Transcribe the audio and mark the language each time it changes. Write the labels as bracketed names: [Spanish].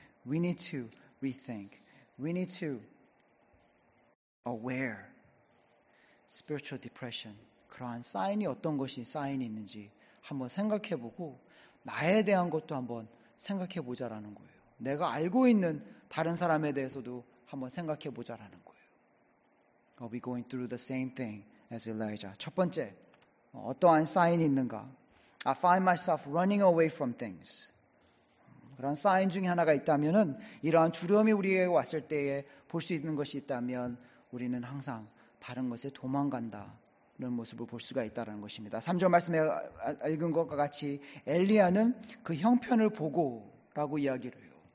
[English] We need to rethink. We need to aware spiritual depression. [Korean] 그러한 사인이 어떤 것이 사인이 있는지 한번 생각해보고 나에 대한 것도 한번 생각해보자라는 거예요. 내가 알고 있는 다른 사람에 대해서도 한번 생각해보자라는 거예요. [English] Are we going through the same thing as Elijah? [Korean] 첫 번째, 어떠한 사인이 있는가? [English] I find myself running away from things. [Korean] 그런 사인 중에 하나가 있다면은 이러한 두려움이 우리에게 왔을 때에 볼 수 있는 것이 있다면 우리는 항상 다른 것에 도망간다. 이런 모습을 볼 수가 있다는 것입니다. 3절 말씀에 읽은 것과 같이 엘리야는 그 형편을 보고 라고 이야기를 해요.